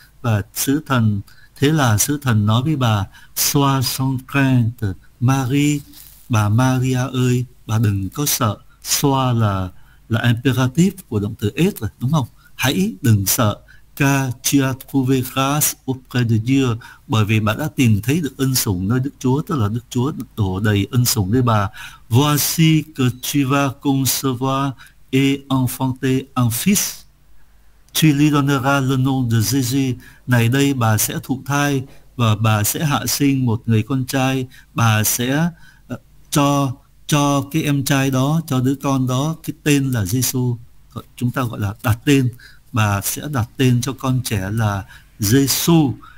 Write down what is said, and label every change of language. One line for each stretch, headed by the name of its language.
Vietnamese: Và sứ thần, thế là sứ thần nói với bà,
French: sois sans crainte, Marie,
Vietnamese: bà Maria ơi, bà đừng có sợ. Sois là imperative của động từ être, đúng không? Hãy đừng sợ.
French: Car tu as trouvé grâce auprès de Dieu,
Vietnamese: bởi vì bà đã tìm thấy được ân sủng nơi Đức Chúa, tức là Đức Chúa đổ đầy ân sủng nơi bà.
French: Voici que tu vas concevoir et enfanter un fils. Tu lui donneras le nom de Jésus.
Vietnamese: Này đây bà sẽ thụ thai và bà sẽ hạ sinh một người con trai. Bà sẽ cho cái em trai đó, cho đứa con đó cái tên là Giêsu. Chúng ta gọi là đặt tên. Bà sẽ đặt tên cho con trẻ là Jesus.